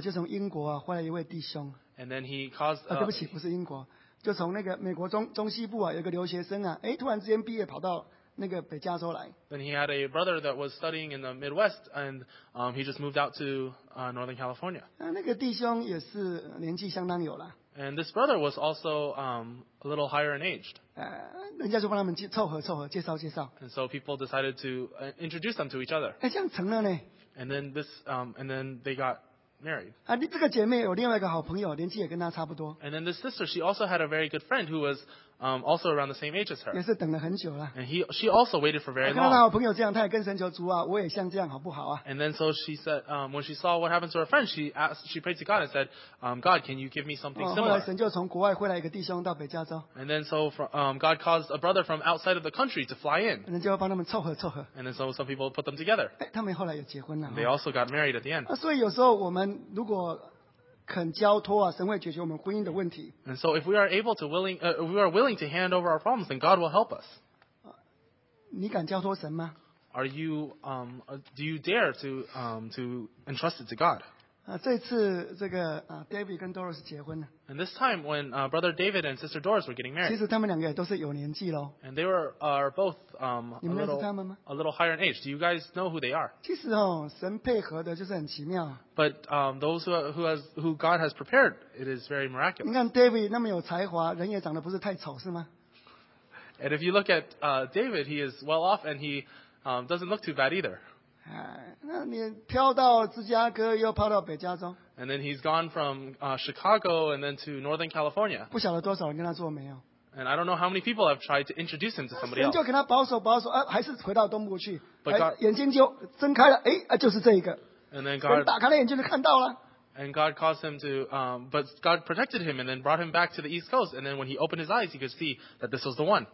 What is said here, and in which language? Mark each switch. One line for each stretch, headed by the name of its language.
Chinese: 就从英国回来一位弟兄。
English: And then he caused.
Chinese: 对不起，不是英国，就从那个美国中西部有个留学生突然之间毕业跑到那个北加州来。
English: Then he had a brother that was studying in the Midwest, and he just moved out to Northern California.
Chinese: 那个弟兄也是年纪相当有了。
English: And this brother was also a little higher in age.
Chinese: 人家就帮他们凑合，介绍介绍。
English: And so people decided to introduce them to each other.
Chinese: 这样成了呢。
English: And then they got. Married.
Chinese: 这个姐妹有另外一个好朋友，年纪也跟她差不多。
English: And then this sister, she also had a very good friend who was also around the same age as her.
Chinese: 也是等了很久了。
English: And she also waited for very long.
Chinese: 看到她好朋友这样，她也跟神求主我也像这样好不好
English: And then so she said, when she saw what happened to her friend, she prayed to God and said, God, can you give me something similar?
Chinese: 后来神就从国外回来一个弟兄到北加州。
English: And then so God caused a brother from outside of the country to fly in.
Chinese: 人家就帮他们凑合。
English: And then so some people put them together.
Chinese: 他们后来也结婚了。
English: They also got married at the end.
Chinese: 所以有时候我们如果肯交托神会解决我们婚姻的问题。
English: And so if we are able to willing to hand over our problems, then God will help us.
Chinese: 你敢交托神吗
English: ？Are you do you dare to entrust it to God?
Chinese: 这次这个David 跟 Doris 结婚了。
English: And this time when brother David and sister Doris were getting married.
Chinese: 其实他们两个都是有年纪喽。
English: And they are both a little higher in age. Do you guys know who they are?
Chinese: 其实神配合的就是很奇妙。
English: But those who God has prepared, it is very miraculous.
Chinese: 你看 David 那么有才华，人也长得不是太丑，是吗
English: ？And if you look at David, he is well off and he doesn't look too bad either.
Chinese: 那你飘到芝加哥，又飘到北加州。
English: And then he's gone from Chicago and then to Northern California.
Chinese: 不晓得多少人跟他做没有。
English: And I don't know how many people have tried to introduce him to somebody else.
Chinese: 神就跟他保守，还是回到东部去。眼睛就睁开了，就是这一个。
English: And then God
Chinese: 打开了眼睛就看到了。
English: And God caused him to, but God protected him and then brought him back to the East Coast. And then when he opened his eyes, he could see that this was the one.